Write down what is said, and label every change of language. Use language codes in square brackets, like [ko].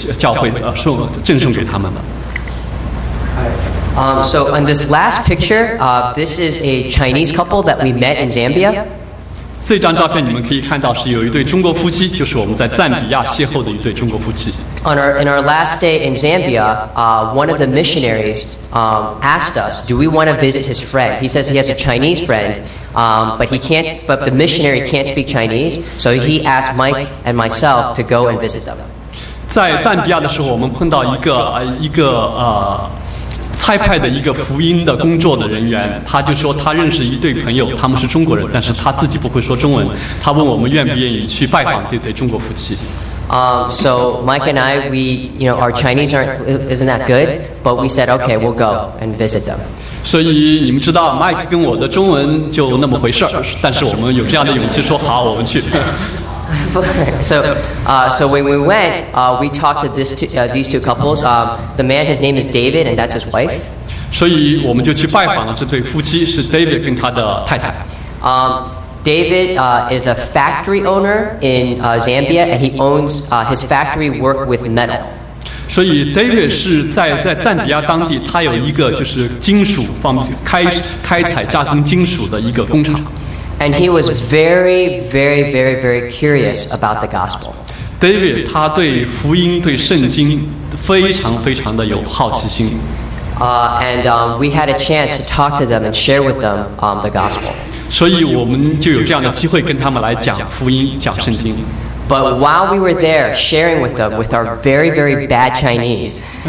[zh] 所以这就是40多个当地的牧师，就是Bill跟David教导的对象。你看他们每个人手里都拿着一本书，是圣经，是另外一个机构、一个教会赠送给他们的。 [en] So on this last picture, this is a Chinese couple that we met in Zambia. [zh] 这张照片你们可以看到是有一对中国夫妻，就是我们在赞比亚邂逅的一对中国夫妻。 [en] In our last day in Zambia, one of the missionaries asked us, "Do we want to visit his friend?" He says he has a Chinese friend, but he can't. But the missionary can't speak Chinese, so he asked Mike and myself to go and visit them. [zh] 在赞比亚的时候，我们碰到一个差派的一个福音的工作的人员，他就说他认识一对朋友，他们是中国人，但是他自己不会说中文，他问我们愿不愿意去拜访这对中国夫妻。 [en] So Mike and I, our Chinese isn't that good, but we said, okay, we'll go and visit them. [zh] 所以你们知道 Mike 跟我的中文就那么回事，但是我们有这样的勇气说好，我们去。 [en] So when we went, we talked to these two couples. The man, his name is David, and that's his wife. [zh] 所以我们就去拜访了这对夫妻，是David跟他的太太。 [en] David is a factory owner in Zambia, and he owns his factory work with metal. [zh] 所以David是在赞比亚当地，他有一个就是金属方面开采加工金属的一个工厂。 [en] And he was very, very, very, very curious about the gospel. [zh] David, 他对福音、对圣经非常非常的有好奇心。 [en] We had a chance to talk to them and share with them the gospel. [zh] 所以我们就有这样的机会跟他们来讲福音、讲圣经。 [en] But while we were there sharing with them with our very, very bad Chinese,